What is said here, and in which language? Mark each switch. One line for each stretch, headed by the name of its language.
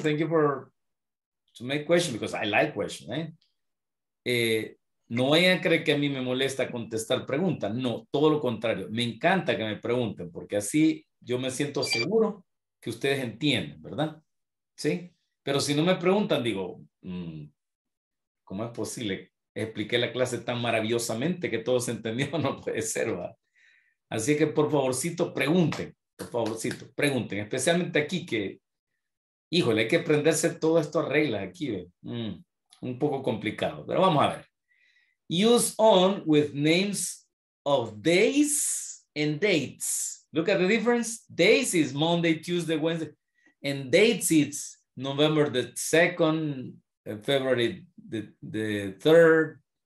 English: Thank you for to make question because I like question.
Spanish: No vayan a creer que a mí me molesta contestar preguntas. No, todo lo contrario. Me encanta que me pregunten porque así yo me siento seguro que ustedes entienden, ¿verdad? Sí. Pero si no me preguntan, digo, ¿cómo es posible? Expliqué la clase tan maravillosamente que todos entendieron. No puede ser, ¿va? Así que, por favorcito, pregunten. Por favorcito, pregunten. Especialmente aquí que, híjole, hay que aprenderse todo esto a reglas aquí. Un poco complicado, pero vamos a ver.
English: Use on with names of days and dates. Look at the difference. Days is Monday, Tuesday, Wednesday. And dates is November the 2nd, February the 3rd.